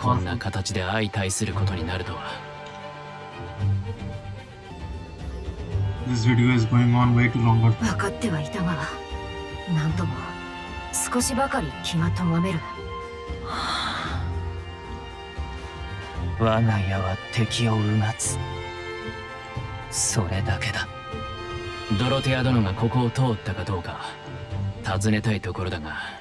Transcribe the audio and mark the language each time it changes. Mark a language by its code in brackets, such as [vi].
[ja] こんな形で相対することになるとは。 [en] This video is going on way too longer. [ja] 分かってはいたが、なんとも少しばかり気がとがめる。我が家は敵をうがつ、それだけだ。ドロテア殿がここを通ったかどうか尋ねたいところだが、